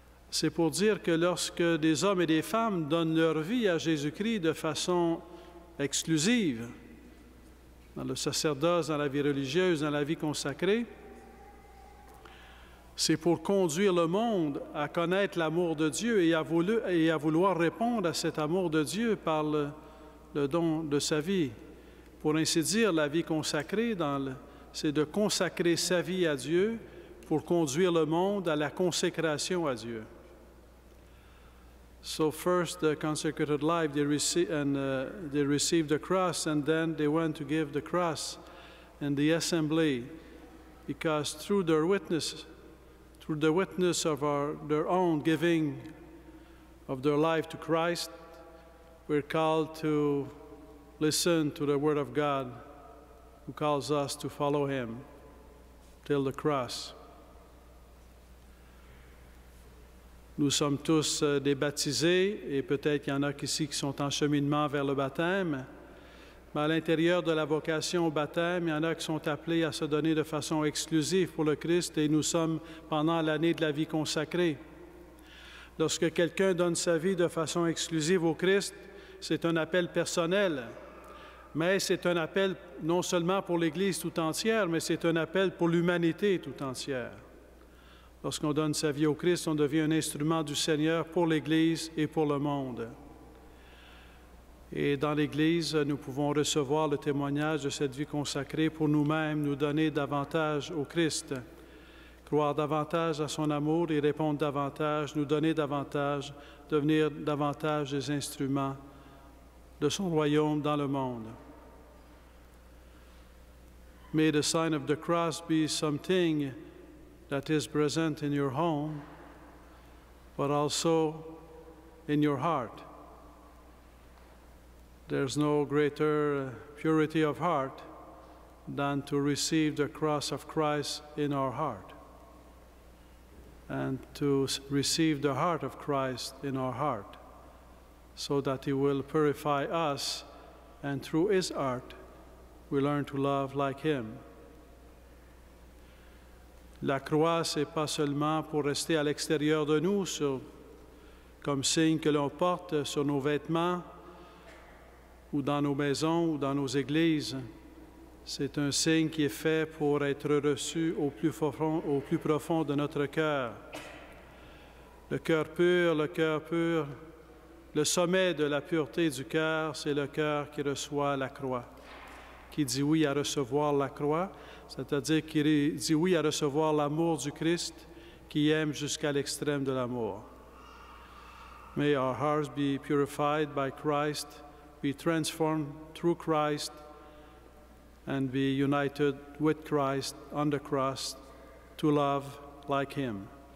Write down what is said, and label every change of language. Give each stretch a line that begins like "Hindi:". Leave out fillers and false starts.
French: C'est pour dire que lorsque des hommes et des femmes donnent leur vie à Jésus-Christ de façon exclusive, dans le sacerdoce, dans la vie religieuse, dans la vie consacrée, c'est pour conduire le monde à connaître l'amour de Dieu et à vouloir répondre à cet amour de Dieu par le don de sa vie. Pour ainsi dire, la vie consacrée, c'est de consacrer sa vie à Dieu pour conduire le monde à la consécration à Dieu.
English: So first, the consecrated life, they received the cross, and then they went to give the cross in the assembly, because through their witness, through the witness of their own giving of their life to Christ, we're called to listen to the Word of God, who calls us to follow Him till the cross.
French: Nous sommes tous des baptisés, et peut-être qu'il y en a ici qui sont en cheminement vers le baptême, mais à l'intérieur de la vocation au baptême, il y en a qui sont appelés à se donner de façon exclusive pour le Christ, et nous sommes pendant l'année de la vie consacrée. Lorsque quelqu'un donne sa vie de façon exclusive au Christ, c'est un appel personnel, mais c'est un appel non seulement pour l'Église tout entière, mais c'est un appel pour l'humanité tout entière. Lorsqu'on donne sa vie au Christ, on devient un instrument du Seigneur pour l'Église et pour le monde. Et dans l'Église, nous pouvons recevoir le témoignage de cette vie consacrée pour nous-mêmes, nous donner davantage au Christ. croire davantage à son amour et répondre davantage, nous donner davantage, devenir davantage des instruments de son royaume dans le monde.
English: May the sign of the cross be something that is present in your home, but also in your heart. There's no greater purity of heart than to receive the cross of Christ in our heart, and to receive the heart of Christ in our heart, so that he will purify us, and through his heart, we learn to love like him.
French: La croix, c'est pas seulement pour rester à l'extérieur de nous, comme signe que l'on porte sur nos vêtements, ou dans nos maisons, ou dans nos églises. C'est un signe qui est fait pour être reçu au plus profond de notre cœur. Le cœur pur, le sommet de la pureté du cœur, c'est le cœur qui reçoit la croix, qui dit oui à recevoir la croix, c'est-à-dire qui dit oui à recevoir l'amour du Christ, qui aime jusqu'à l'extrême de l'amour.
English: May our hearts be purified by Christ, be transformed through Christ, and be united with Christ on the cross to love like him.